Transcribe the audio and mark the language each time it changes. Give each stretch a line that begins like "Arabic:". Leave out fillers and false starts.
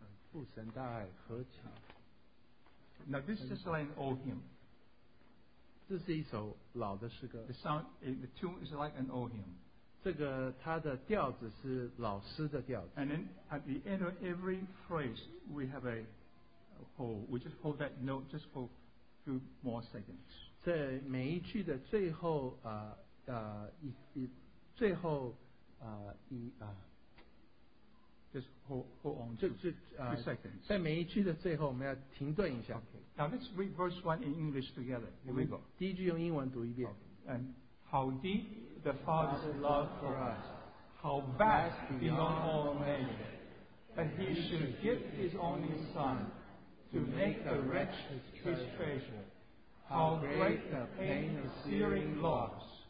Chinese: 父神大爱何其。
English: Now this is like an old hymn.
Chinese: 这是一首老的诗歌。
English: The tune is like an old hymn.
Chinese: 这个它的调子是老诗的调子。
English: And then at the end of every phrase, we have a hold. We just hold that note just for few more seconds.
Chinese: 在每一句的最后，就是
English: hold on，
Chinese: 就是seconds. 在每一句的最后，我们要停顿一下。
English: Okay. Now let's read verse 1 in English together. Here we go.
Chinese: 第一句用英文读一遍。
English: Okay. And how deep the Father's love for us, how vast beyond all measure, that He should give His only Son, to make the wretch his treasure. How great the pain of searing loss!